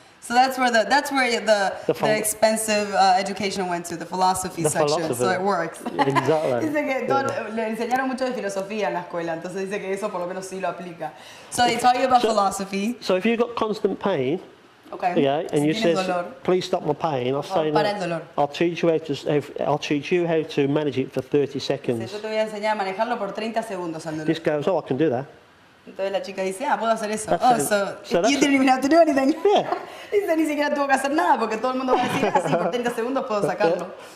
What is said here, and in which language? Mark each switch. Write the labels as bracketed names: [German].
[English] So that's where the expensive education went to, the philosophy the philosophy. So it works. Exactly. [Spanish] Dice que le enseñaron mucho de filosofía en la escuela, entonces dice que eso por lo menos sí lo aplica. [English] So they taught you about philosophy. So if you've got constant pain, okay, yeah, and you say, please stop my pain, I'll say, [Spanish] para el dolor. [English] I'll teach you how to manage it for 30 seconds. [Spanish] Dice, yo te voy a enseñar a manejarlo por 30 segundos al dolor. [English] This goes, oh, I can do that. [Spanish] Entonces la chica dice, puedo hacer eso. [English] You didn't even have to do anything. Yeah. [Spanish] Dice, ni siquiera tuvo que hacer nada, porque todo el mundo va a decir, por 30 segundos puedo sacarlo.